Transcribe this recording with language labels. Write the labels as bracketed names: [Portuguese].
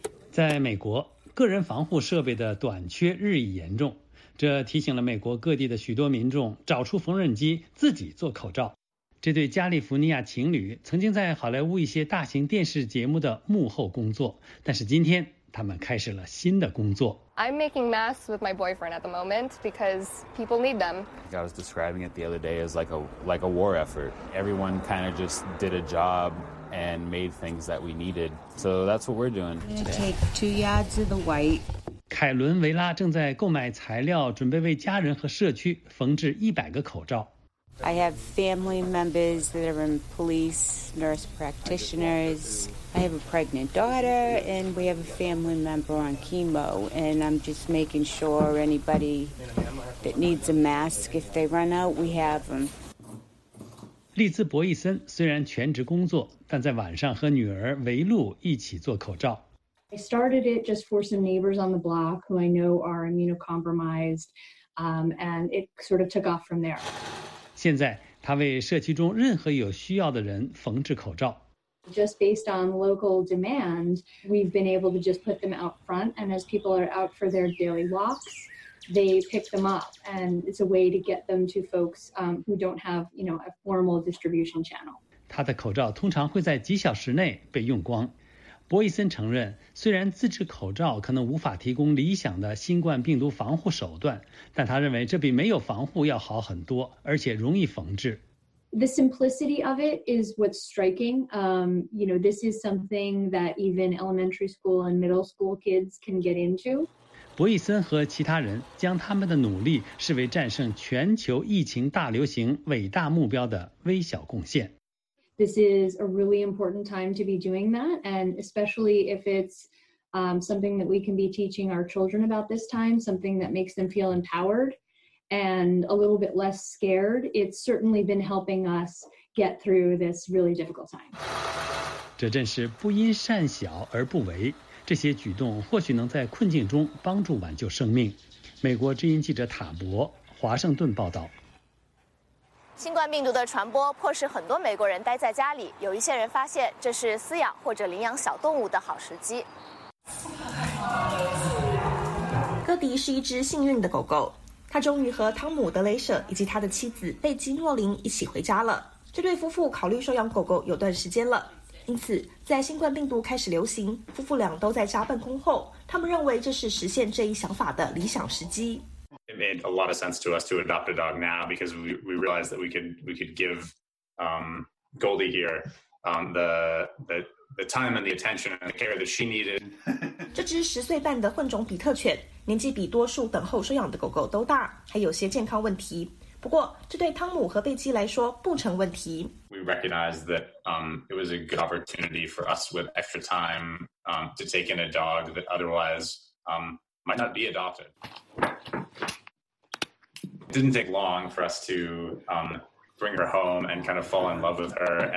[Chinese] 在美国，个人防护设备的短缺日益严重，这提醒了美国各地的许多民众找出缝纫机自己做口罩。这对加利福尼亚情侣曾经在好莱坞一些大型电视节目的幕后工作，但是今天他们开始了新的工作。 [English] I'm making masks with my boyfriend at the moment because people need them. I was describing it the other day as like a war effort. Everyone kind of just did a job. And made things that we needed. So that's what we're doing. Take 2 yards of the white. [Chinese] 凯伦·维拉正在购买材料，准备为家人和社区缝制100个口罩。 [English] I have family members that are in police, nurse practitioners. I have a pregnant daughter, and we have a family member on chemo. And I'm just making sure anybody that needs a mask, if they run out, we have them. [Chinese] 丽兹·博伊森虽然全职工作，但在晚上和女儿维露一起做口罩。 [English] I started it just for some neighbors on the block who I know are immunocompromised, and it sort of took off from there. [Chinese] 现在，她为社区中任何有需要的人缝制口罩。 [English] Just based on local demand, we've been able to just put them out front, and as people are out for their daily walks. They pick them up, and it's a way to get them to folks who don't have, you know, a formal distribution channel. [Chinese] 他的口罩通常会在几小时内被用光。博伊森承认，虽然自制口罩可能无法提供理想的新冠病毒防护手段，但他认为这比没有防护要好很多，而且容易缝制。 [English] The simplicity of it is what's striking. You know, this is something that even elementary school and middle school kids can get into. [Chinese] 博伊森和其他人将他们的努力视为战胜全球疫情大流行伟大目标的微小贡献。 [English] This is a really important time to be doing that, and especially if it's something that we can be teaching our children about this time, something that makes them feel empowered and a little bit less scared. It's certainly been helping us get through this really difficult time. [Chinese] 这正是不因善小而不为，这些举动或许能在困境中帮助挽救生命。美国之音记者塔博，华盛顿报道。新冠病毒的传播迫使很多美国人待在家里，有一些人发现这是饲养或者领养小动物的好时机。戈迪是一只幸运的狗狗，他终于和汤姆·德雷舍以及他的妻子贝基·诺林一起回家了。这对夫妇考虑收养狗狗有段时间了，因此在新冠病毒开始流行，夫妇俩都在家办公后，他们认为这是实现这一想法的理想时机。 [English] It made a lot of sense to us to adopt a dog now because we realized that we could give Goldie here the time and the attention and the care that she needed. [Chinese] 这只十岁半的混种比特犬，年纪比多数等候收养的狗狗都大，还有些健康问题。不过，这对汤姆和贝基来说不成问题。 [English] We recognized that it was a good opportunity for us with extra time to take in a dog that otherwise might not be adopted. It didn't take long for us to bring her home and kind of fall in love with her.